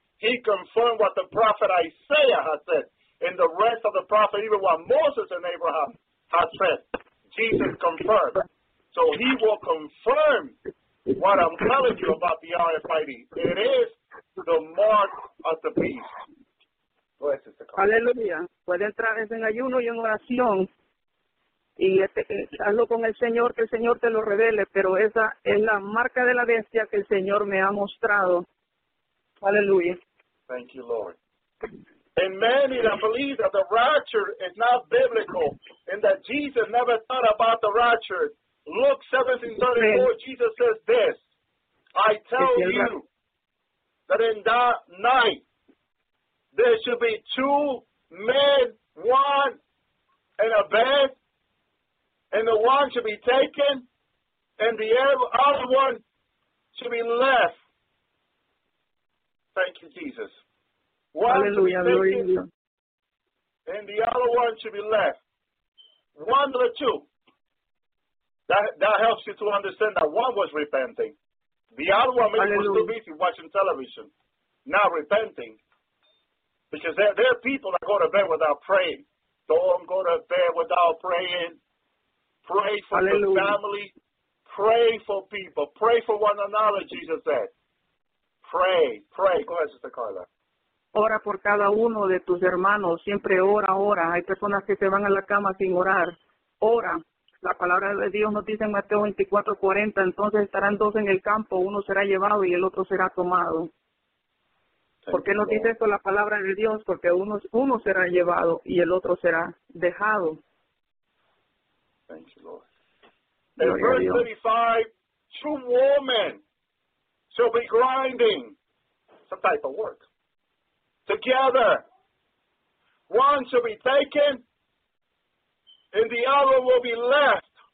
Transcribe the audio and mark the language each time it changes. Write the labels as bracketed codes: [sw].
[en] He confirmed what the prophet Isaiah has said. And the rest of the prophet, even what Moses and Abraham has said, Jesus confirmed. So he will confirm what I'm telling you about the RFID. It is the mark of the beast. [es] Aleluya. Puede entrar en ayuno y en oración. Y hazlo con el Señor te lo revele, pero esa es la marca de la bestia que el Señor me ha mostrado. Aleluya. [en] Thank you, Lord. And many that believe that the rapture is not biblical and that Jesus never thought about the rapture. Luke 17:34, Jesus says this, I tell you that in that night, there should be two men, one in a bed, and the one should be taken, and the other one should be left. Thank you, Jesus. One Hallelujah. Should be taken, and the other one should be left. One of the two. That helps you to understand that one was repenting. The other one maybe was too busy watching television, not repenting. Because there are people that go to bed without praying. Don't go to bed without praying. Pray for Hallelujah. The family. Pray for people. Pray for one another, Jesus said. Pray. Go ahead, Sister Carla. [es] Ora por cada uno de tus hermanos. Siempre ora. Hay personas que se van a la cama sin orar. Ora. La palabra de Dios nos dice en Mateo 24:40. Entonces estarán dos en el campo. Uno será llevado y el otro será tomado. ¿Por qué nos dice esto la palabra de Dios? Porque uno será llevado y el otro será dejado. [en] Thank you, Lord. In verse 35, two women shall be grinding some type of work. Together, one shall be taken, and the other will be left.